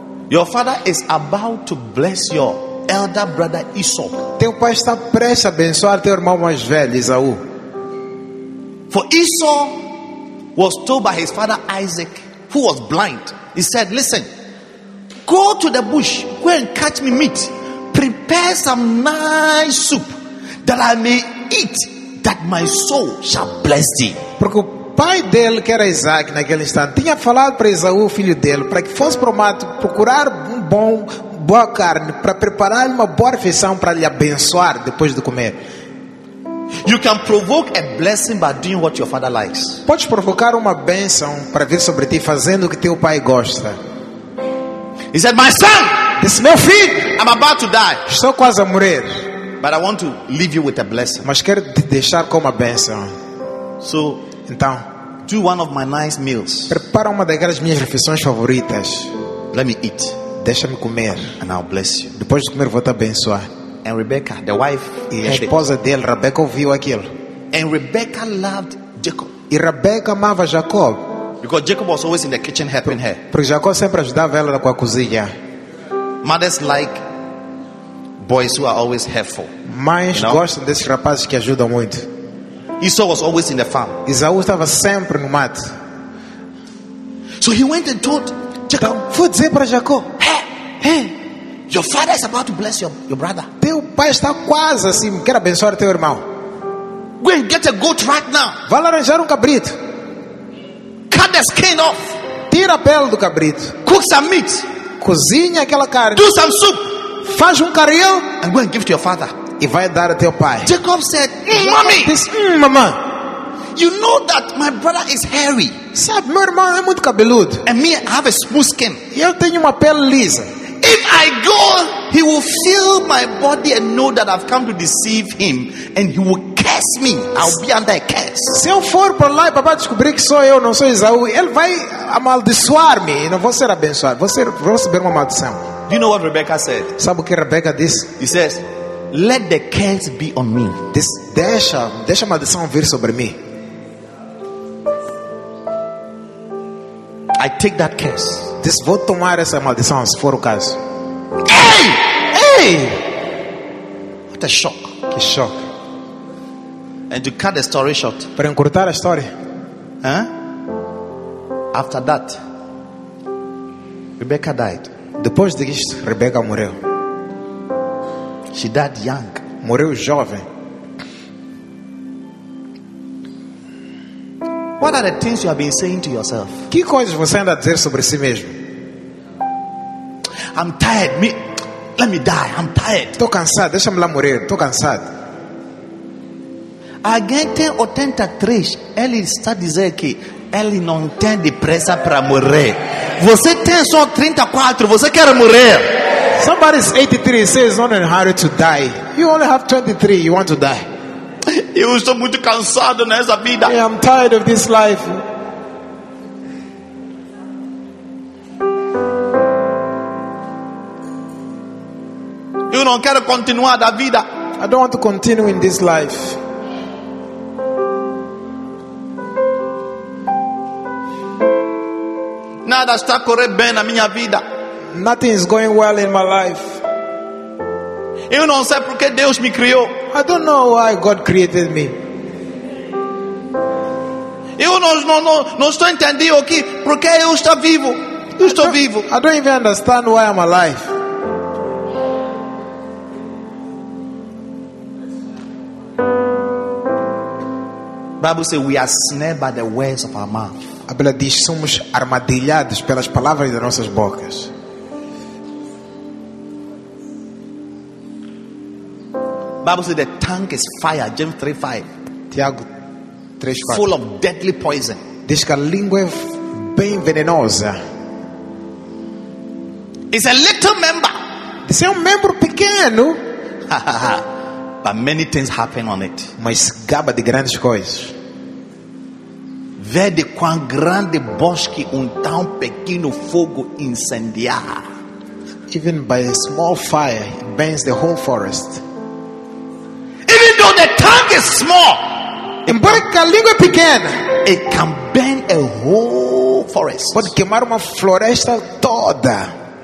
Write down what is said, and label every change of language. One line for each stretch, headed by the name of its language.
English: your father is about to bless your elder brother Esau.
Portuguese: Teu pai está prestes a abençoar teu irmão mais velho, Esaú.
English: For Esau was told by his father Isaac, who was blind. He said, listen, go to the bush, go and catch me meat. Prepare some nice soup that I may eat, that my soul shall bless thee.
Portuguese: Porque o pai dele, que era Isaac, naquele instante, tinha falado para Esaú, filho dele, para que fosse para o mato procurar boa carne, para preparar uma boa refeição, para lhe abençoar depois de comer.
English: You can provoke a blessing by doing what your father likes.
Portuguese: Pode provocar uma bênção para vir sobre ti fazendo o que teu pai gosta.
English: He said, my son,
Portuguese: this meu filho,
English: I'm about to die.
Portuguese: Estou quase a morrer.
English: But I want to leave you with a blessing.
Portuguese: Mas quero te deixar com uma bênção.
English: So,
Portuguese: então,
English: do one of my nice meals.
Portuguese: Prepara uma daquelas minhas refeições favoritas.
English: Let me eat.
Portuguese: Deixa-me comer.
English: And I'll bless you.
Portuguese: Depois de comer vou te abençoar.
English: And Rebecca, the wife,
Portuguese: e a esposa dele, Rebecca, ouviu aquilo.
English: And Rebecca loved Jacob.
Portuguese: E Rebecca amava Jacob.
English: Because Jacob was always in the kitchen helping her.
Portuguese: Porque Jacob sempre ajudava ela com a cozinha.
English: Mothers like boys who are always helpful.
Portuguese: Mães gostam desses rapazes que ajudam muito.
English: Esau was always in the farm.
Portuguese: Esaú estava sempre no mato.
English: So he went and told Jacob.
Portuguese: Então, foi dizer para Jacob. Hey, hey.
English: Your father is about to bless your brother.
Portuguese: Teu pai está quase assim, quer abençoar teu irmão.
English: Go and get a goat right now.
Portuguese: Vá arranjar cabrito.
English: Cut the skin off.
Portuguese: Tira a pele do cabrito.
English: Cook some meat.
Portuguese: Cozinha aquela carne.
English: Do some soup.
Portuguese: Faz carrião.
English: And go and give to your father.
Portuguese: E vai dar a teu pai.
English: Jacob said, "Mommy,
Portuguese: this mama,
English: you know that my brother is hairy.
Portuguese: Sabe, meu irmão é muito cabeludo.
English: And me, I have a smooth skin.
Portuguese: Eu tenho uma pele lisa.
English: If I go, he will feel my body and know that I've come to deceive him, and he will curse me. I'll be under a curse.
Portuguese: Se eu for para lá e papai descobrir que sou eu, não sou Esaú, ele vai amaldiçoar-me. Não vou ser abençoado. Vou ser, vou receber uma maldição.
English: Do you know what Rebecca said?
Portuguese: Sabe o que Rebecca disse?
English: He says, let the curse be on me.
Portuguese: This, deixa a maldição vir sobre mim.
English: I take that curse.
Portuguese: This, vou tomar essa maldição se for o caso.
English: Hey! Hey! What a shock.
Portuguese: Que shock.
English: And to cut the story short.
Portuguese: Para encurtar a história.
English: Huh? After that, Rebecca died.
Portuguese: Depois disso, Rebecca morreu.
English: She died young.
Portuguese: Morreu jovem.
English: What are the things you have been saying to yourself?
Portuguese: Que coisas você anda a dizer sobre si mesmo?
English: I'm tired. Let me die. I'm tired.
Portuguese: Tô cansado. Deixa-me lá morrer. Tô cansado. Alguém tem 83? Ele está dizendo que ele não tem depressa para morrer. Você tem só 34. Você quer morrer?
English: Somebody's 83 says it's not in a hurry to die. You only have 23. You want to die?
Portuguese: Eu estou muito cansado nessa vida.
English: Yeah, I'm tired of this life.
Portuguese: Eu não quero continuar da vida.
English: I don't want to continue in this life.
Portuguese: Nada está correndo bem na minha vida.
English: Nothing is going well in my life.
Portuguese: Eu não sei porque Deus me criou.
English: I don't know why God created me.
Portuguese: Eu não estou entendendo aqui porque eu estou vivo. Eu estou vivo.
English: I don't even understand why I'm alive. Bible says we are snared by the words of our mouth.
Portuguese: A Bíblia diz somos armadilhados pelas palavras de nossas bocas.
English: Bible says the tongue is fire, James 3:5.
Portuguese: Tiago 3:4.
English: Full of deadly poison.
Portuguese: Diz que a língua é bem venenosa.
English: It's a little member.
Portuguese: Diz é membro pequeno.
English: But many things happen on it.
Portuguese: Mas gaba de grandes coisas. Verde quão grande bosque tão pequeno fogo incendiar.
English: Even by a small fire, it burns the whole forest. Even though the tongue is small,
Portuguese: embora que a língua é pequena,
English: it can burn a whole forest.
Portuguese: Pode queimar uma floresta toda.